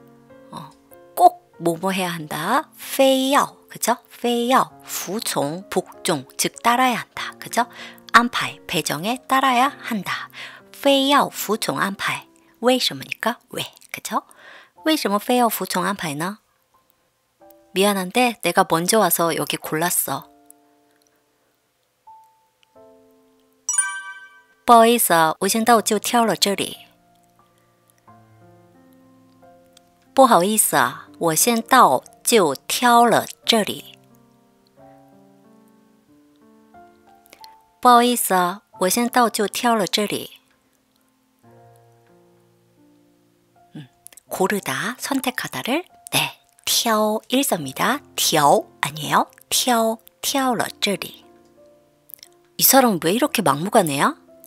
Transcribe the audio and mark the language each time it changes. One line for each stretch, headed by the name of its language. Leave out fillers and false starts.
Chinese: 为什么非要服从安排呢?为什么非要服从安排呢?
Korean: 꼭 뭐뭐 해야 한다.
Chinese: 非要,
Korean: 그죠?
Chinese: 非要, 服从,
Korean: 복종, 즉 따라야 한다. 그죠? 안排, 배정에 따라야 한다.
Chinese: 非要服从安排.为什么니까?
Korean: 왜, 그죠?
Chinese: 为什么非要服从安排呢?
Korean: 미안한데 내가 먼저 와서 여기 골랐어.
Chinese: 不好意思,我先到就挑了这里.不好意思,我先到就挑了这里.不好意思,我先到就挑了这里.
Korean: 고르다, 선택하다를 네, 挑 일서입니다.
Chinese: 挑
Korean: 아니에요?
Chinese: 挑了这里.
Korean: 이 사람 왜 이렇게 막무가내야?